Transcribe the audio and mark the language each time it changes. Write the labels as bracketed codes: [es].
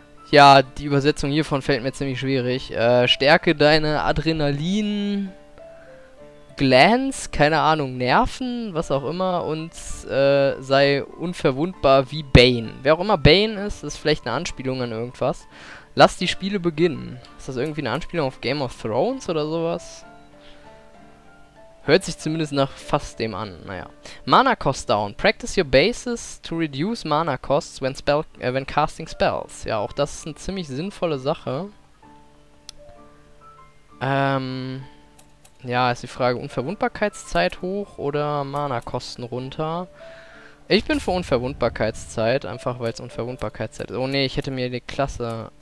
[de] Ja, die Übersetzung hiervon fällt mir ziemlich schwierig. Stärke deine Adrenalin Glands, keine Ahnung, Nerven, was auch immer, und sei unverwundbar wie Bane. Wer auch immer Bane ist, ist vielleicht eine Anspielung an irgendwas. Lass die Spiele beginnen. Ist das irgendwie eine Anspielung auf Game of Thrones oder sowas? Hört sich zumindest nach fast dem an, naja. [en] Mana Cost Down. Practice your bases to reduce Mana Costs when when casting spells. [de] Ja, auch das ist eine ziemlich sinnvolle Sache. Ja, ist die Frage, Unverwundbarkeitszeit hoch oder Mana-Kosten runter? Ich bin für Unverwundbarkeitszeit, einfach weil es Unverwundbarkeitszeit ist. Oh ne, ich hätte mir die Klasse...